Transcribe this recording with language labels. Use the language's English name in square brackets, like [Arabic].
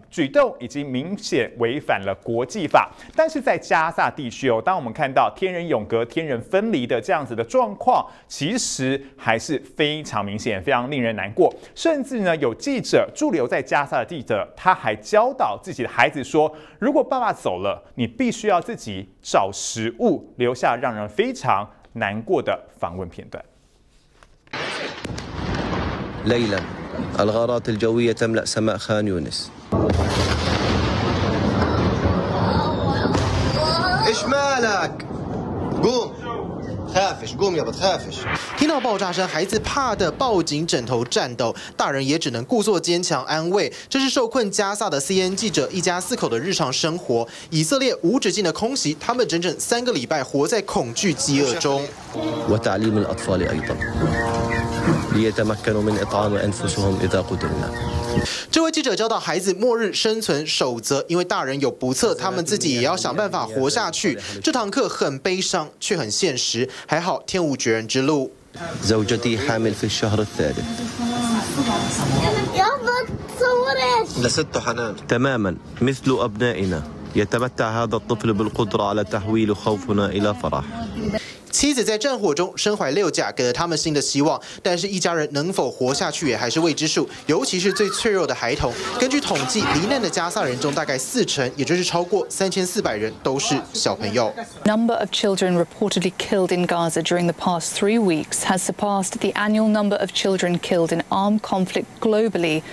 [Chinese] 举动已经明显违反了国际法。但是在加萨地区，当我们看到天人永隔、天人分离的这样子的状况，其实还是非常明显，非常令人难过。甚至呢，有记者驻留在加萨的记者，他还教导自己的孩子说，如果爸爸走了，你必须要自己找食物，留下让人非常难过的访问片段。 [Arabic] ليلا الغارات الجوية تملأ سماء خان يونس إيش مالك قوم خافش قوم يا بنت خافش [Chinese] 听到爆炸声，孩子怕的抱紧枕头颤抖，大人也只能故作坚强安慰。这是受困加萨的 CNN 记者一家四口的日常生活。以色列无止境的空袭，他们整整三个礼拜活在恐惧饥饿中。 [Arabic] وتعليم الأطفال أيضا. ليتمكنوا من إطعام أنفسهم إذا قدرنا. [Chinese] 这位记者教导孩子末日生存守则，因为大人有不测，他们自己也要想办法活下去。这堂课很悲伤，却很现实。还好天无绝人之路。 [Arabic] زوجتي حامل في الشهر الثالث. يا بنت صورك. لست حنان. تماماً مثل أبنائنا. يتمتع هذا الطفل بالقدرة على تحويل خوفنا إلى فرح. [Chinese] 妻子在战火中身怀六甲，给了他们新的希望，但是一家人能否活下去也还是未知数，尤其是最脆弱的孩童。根据统计，罹难的加萨人中大概四成，也就是超过3400人都是小朋友。 [English] Number of children reportedly killed in Gaza during the past three weeks has surpassed the annual number of children killed in armed conflict globally.